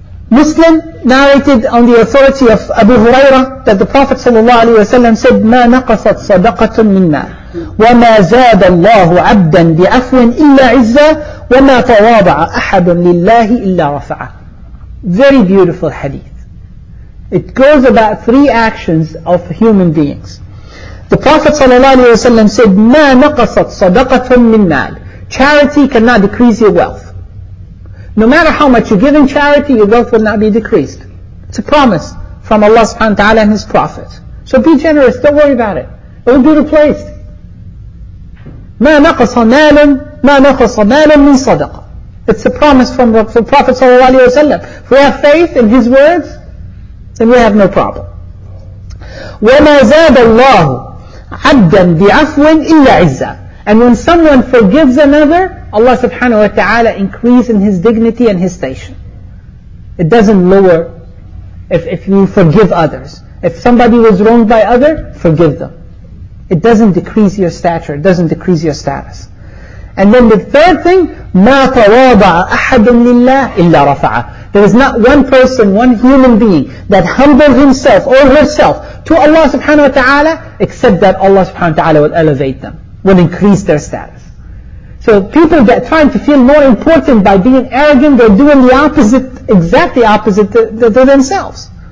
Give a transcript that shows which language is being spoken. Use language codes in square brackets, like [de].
[en] Muslim narrated on the authority of Abu Hurairah that the Prophet ﷺ said, [ar] مَا نَقَصَتْ صَدَقَةٌ مِنَّا وَمَا زَادَ اللَّهُ عَبْدًا بِعَفْوٍ إِلَّا عِزَّةٌ وَمَا تَوَاضَعَ أَحَدٌ لِلَّهِ إِلَّا رَفَعَ [en] Very beautiful hadith. It goes about three actions of human beings. The Prophet ﷺ said, [ar] مَا نَقَصَتْ صَدَقَةٌ مِنْ مَالٍ [en] Charity cannot decrease your wealth. No matter how much you give in charity, your wealth will not be decreased. It's a promise from Allah subhanahu wa ta'ala and His Prophet. So be generous, don't worry about it. It will be replaced. [ar] مَا نَقَصَ مَالٌ مِنْ صَدَقَةٍ [en] It's a promise from the Prophet ﷺ. If we have faith in his words, then we have no problem. [ar] وَمَا زَادَ اللَّهُ عَبْدًا بِعَفْوٍ إِلَّا عِزَّةٍ. [en] And when someone forgives another, Allah subhanahu wa ta'ala increases in his dignity and his station. It doesn't lower if you forgive others. If somebody was wronged by other, forgive them. It doesn't decrease your stature, it doesn't decrease your status. And then the third thing, [ar] مَا تَوَاضَعَ أَحَدٌ لِلَّهِ إِلَّا رَفَعَ. [en] There is not one person, one human being that humbled himself or herself to Allah subhanahu wa ta'ala except that Allah subhanahu wa ta'ala will elevate them, will increase their status. So people that trying to feel more important by being arrogant, they're doing the opposite, exactly opposite to themselves.